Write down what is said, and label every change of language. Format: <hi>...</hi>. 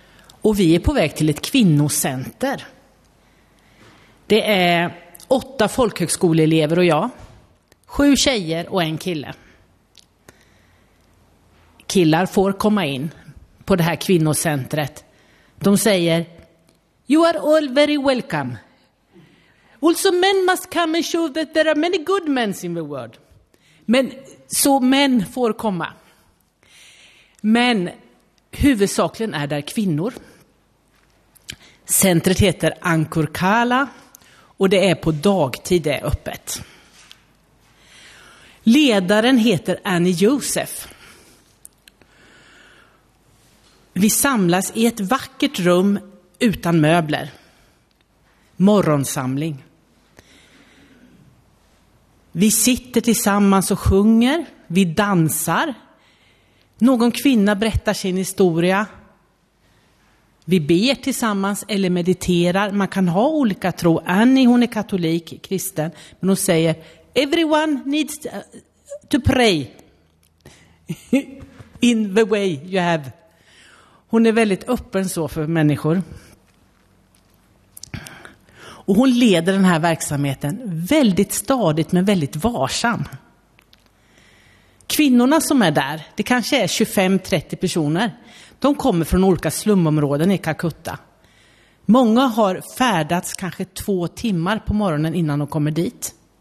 <sv>Och vi är på väg till ett kvinnocenter. Det är 8 folkhögskoleelever och jag. 7 tjejer och en kille. Killar får komma in på det här kvinnocentret. De säger:</sv> <en>"You are all very welcome. Also men must come and show that there are many good men in the world."</en> <sv>Men så män får komma. Men huvudsakligen är där kvinnor. Centret heter Ankurkala och det är på dagtid det är öppet. Ledaren heter Annie Joseph. Vi samlas i ett vackert rum utan möbler. Morgonsamling. Vi sitter tillsammans och sjunger. Vi dansar. Någon kvinna berättar sin historia. Vi ber tillsammans eller mediterar. Man kan ha olika tro. Annie, hon är katolik, kristen. Men hon säger:</sv> <en>"Everyone needs to pray in the way you have."</en> <sv>Hon är väldigt öppen så för människor. Och hon leder den här verksamheten väldigt stadigt men väldigt varsam. Kvinnorna som är där, det kanske är 25-30 personer. De kommer från olika slumområden i Calcutta. Många har färdats kanske 2 timmar på morgonen innan de kommer dit.</sv>